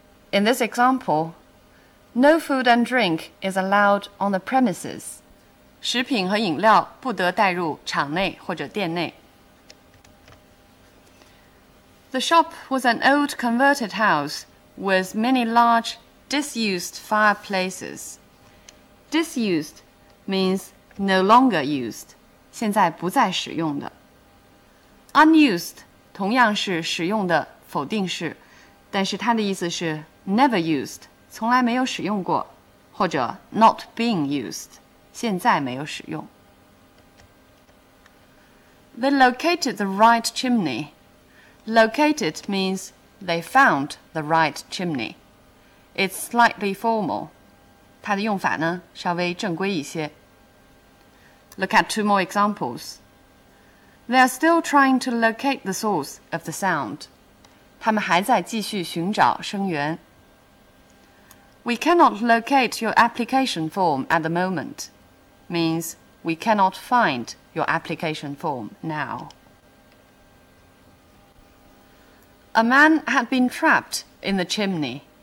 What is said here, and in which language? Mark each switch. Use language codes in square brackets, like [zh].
[en] In this example, no food and drink is allowed on the premises. [zh] 食品和饮料不得带入场内或者店内。 [en] The shop was an old converted house with many large disused fireplaces. Disused means no longer used, [zh] 现在不再使用的。 Unused 同样是使用的否定式，但是它的意思是 never used, 从来没有使用过，或者 not being used, 现在没有使用。 [en] They located the right chimney. Located means they found the right chimney. It's slightly formal. [zh] 它的用法呢，稍微正规一些。 [en] Look at two more examples. They are still trying to locate the source of the sound. [zh] 他们还在继续寻找声源。 [en] We cannot locate your application form at the moment means we cannot find your application form now. A man had been trapped in the chimney.